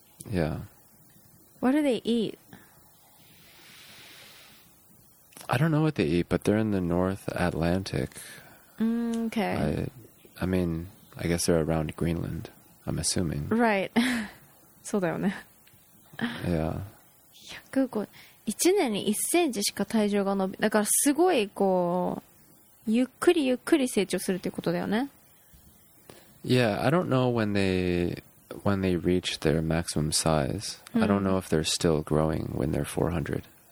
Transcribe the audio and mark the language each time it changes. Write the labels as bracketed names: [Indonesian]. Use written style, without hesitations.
[English] Yeah. What do they eat? I don't know what they eat, but they're in the North Atlantic. Okay. I mean, I guess they're around Greenland, I'm assuming. Right. [Japanese] そうだよね。 [English] Yeah. [Japanese] 1年に1センチしか体重が伸びだからすごいこうゆっくりゆっくり成長するっていうことだよね。 [English] Yeah, I don't know when they reach their maximum size. I don't know if they're still growing when they're 400.